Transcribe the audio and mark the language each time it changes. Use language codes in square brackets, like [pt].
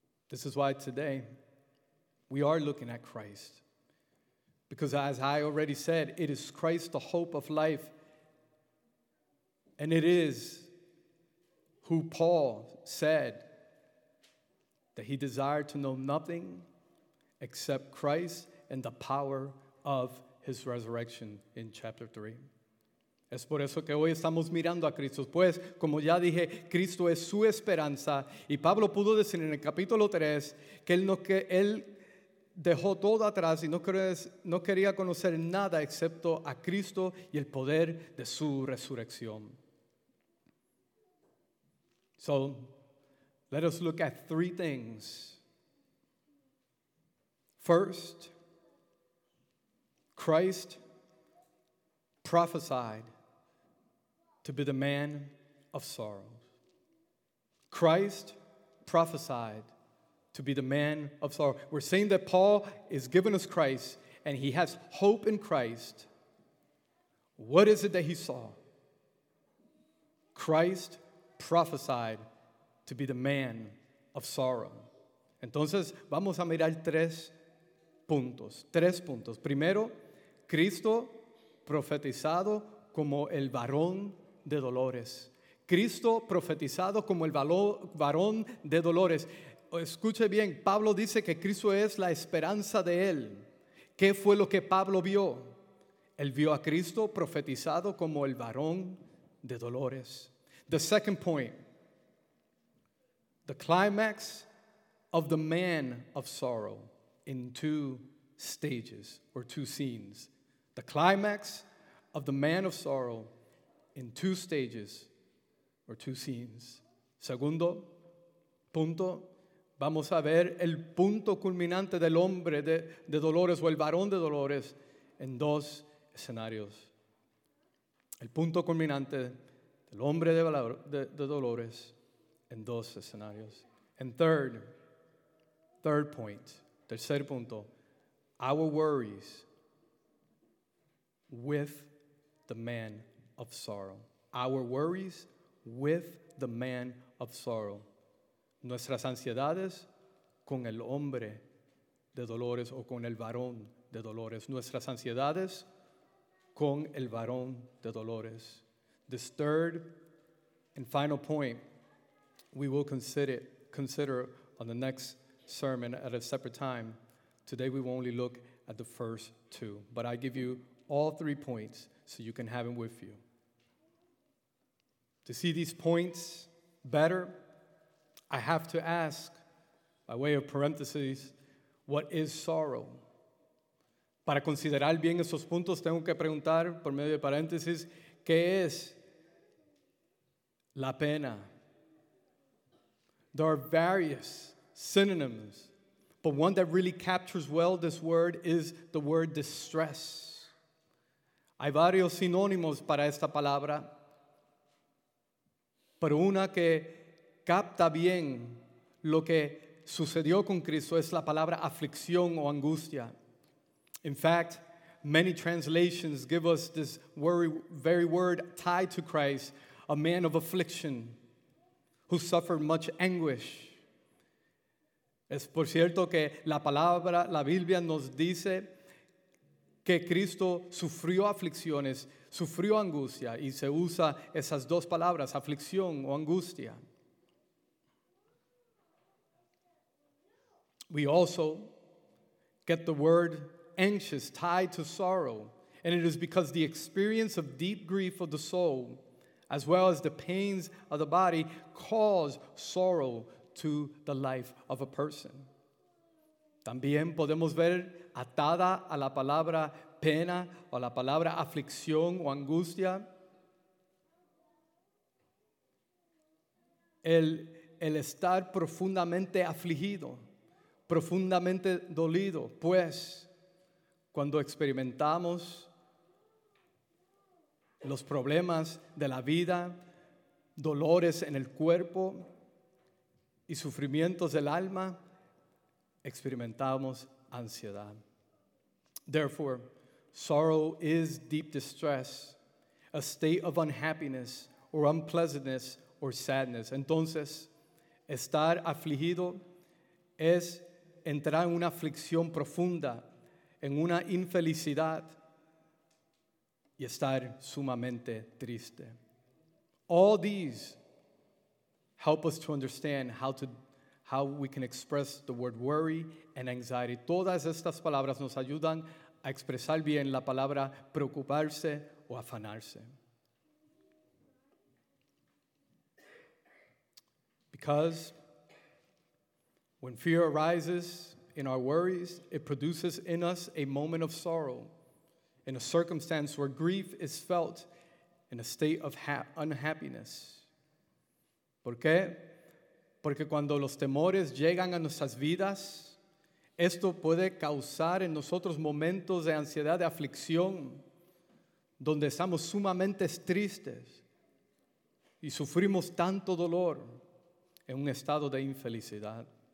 [en] This is why today we are looking at Christ. Because as I already said, it is Christ, the hope of life. And it is who Paul said that he desired to know nothing except Christ and the power of his resurrection in chapter 3. [es] Es por eso que hoy estamos mirando a Cristo. Pues, como ya dije, Cristo es su esperanza. Y Pablo pudo decir en el capítulo 3 que él dejó todo atrás y no quería conocer nada excepto a Cristo y el poder de su resurrección. [en] So, let us look at three things. First, Christ prophesied to be the man of sorrows. Christ prophesied to be the man of sorrow. We're saying that Paul is given us Christ and he has hope in Christ. What is it that he saw? Christ prophesied to be the man of sorrow. [es] Entonces, vamos a mirar tres puntos. Tres puntos. Primero, Cristo profetizado como el varón de dolores. Cristo profetizado como el varón de dolores. Escuche bien, Pablo dice que Cristo es la esperanza de él. ¿Qué fue lo que Pablo vio? Él vio a Cristo profetizado como el varón de dolores. [en] The second point, the climax of the man of sorrow in two stages or two scenes. The climax of the man of sorrow in two stages or two scenes. [es] Segundo punto, vamos a ver el punto culminante del hombre de dolores o el varón de dolores en dos escenarios. El punto culminante del hombre de dolores en dos escenarios. [en] And third point, [es] tercer punto, [en] our worries with the man of sorrow. Our worries with the man of sorrow. [es] Nuestras ansiedades con el hombre de dolores o con el varón de dolores. Nuestras ansiedades con el varón de dolores. [en] This third and final point, we will consider on the next sermon at a separate time. Today we will only look at the first two. But I give you all three points so you can have them with you. To see these points better, I have to ask, by way of parentheses, what is sorrow? [es] Para considerar bien esos puntos, tengo que preguntar, por medio de paréntesis, ¿qué es la pena? [en] There are various synonyms, but one that really captures well this word is the word distress. [es] Hay varios sinónimos para esta palabra, pero una que capta bien lo que sucedió con Cristo es la palabra aflicción o angustia. [en] In fact, many translations give us this very word tied to Christ, a man of affliction who suffered much anguish. [es] Es por cierto que la palabra, la Biblia nos dice que Cristo sufrió aflicciones, sufrió angustia, y se usa esas dos palabras, aflicción o angustia. [en] We also get the word anxious tied to sorrow, and it is because the experience of deep grief of the soul, as well as the pains of the body, cause sorrow to the life of a person. [es] También podemos ver atada a la palabra pena o la palabra aflicción o angustia el estar profundamente afligido, profundamente dolido, pues cuando experimentamos los problemas de la vida, dolores en el cuerpo y sufrimientos del alma, experimentamos ansiedad. [en] Therefore, sorrow is deep distress, a state of unhappiness or unpleasantness or sadness. [es] Entonces, estar afligido es entrar en una aflicción profunda, en una infelicidad y estar sumamente triste. [en] All these help us to understand how we can express the word worry and anxiety. [es] Todas estas palabras nos ayudan a expresar bien la palabra preocuparse o afanarse. [en] Because when fear arises in our worries, it produces in us a moment of sorrow, in a circumstance where grief is felt, in a state of unhappiness. [es] ¿Por qué? Porque cuando los temores llegan a nuestras vidas, esto puede causar en nosotros momentos de ansiedad, de aflicción, donde estamos sumamente tristes y sufrimos tanto dolor en un estado de infelicidad.